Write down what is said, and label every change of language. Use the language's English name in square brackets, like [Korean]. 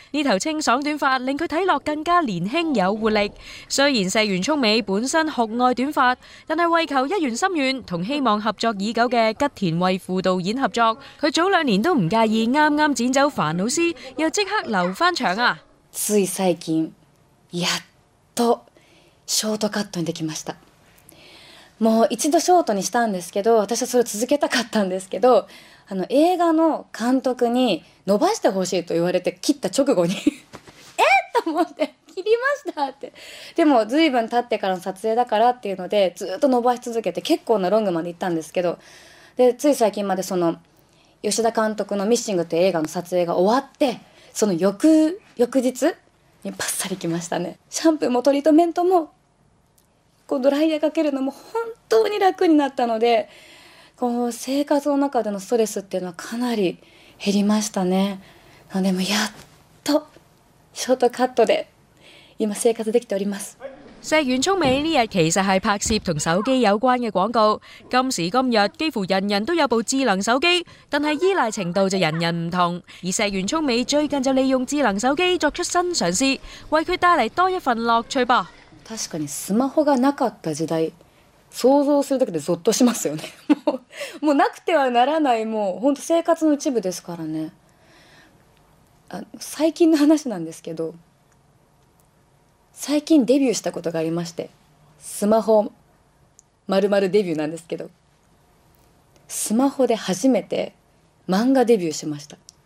[Cantonese] 呢头清爽短发令佢睇落更加年轻有活力。虽然石原聪美本身酷爱短发，但系为求一圆心愿，同希望合作已久嘅吉田惠辅导演合作，佢早两年都唔介意啱啱剪走烦恼丝，又即刻留翻长啊！ [Japanese] つい最近やっとショートカットにできました。もう一度ショートにしたんですけど、私はそれを続けたかったんですけど、あの映画の監督に伸ばしてほしいと言われて切った直後にえっと思って切りましたって。でも随分経ってからの撮影だからっていうのでずっと伸ばし続けて結構なロングまで行ったんですけど、でつい最近までその吉田監督のミッシングという映画の撮影が終わって、その翌日にパッサリ来ましたね。シャンプーもトリートメントもこうドライヤーかけるのも本当に楽になったので、こう生活の中でのストレスっていうのはかなり減りましたね。でもやっとショートカットで今生活できております。 [Cantonese] 石原聪美呢日其实系拍摄同手机有关嘅广告。今时今日，几乎人人都有部智能手机，但系依赖程度就人人唔同。而石原聪美最近就利用智能手机作出新尝试，为佢带嚟多一份乐趣吧。 [Japanese] 確かにスマホがなかった時代、想像するだけでゾッとしますよね。もうなくてはならない、もう本当生活の一部ですからね。最近の話なんですけど。最近デビューしたことがありまして、スマホ丸々デビューなんですけど、スマホで初めて漫画デビューしました。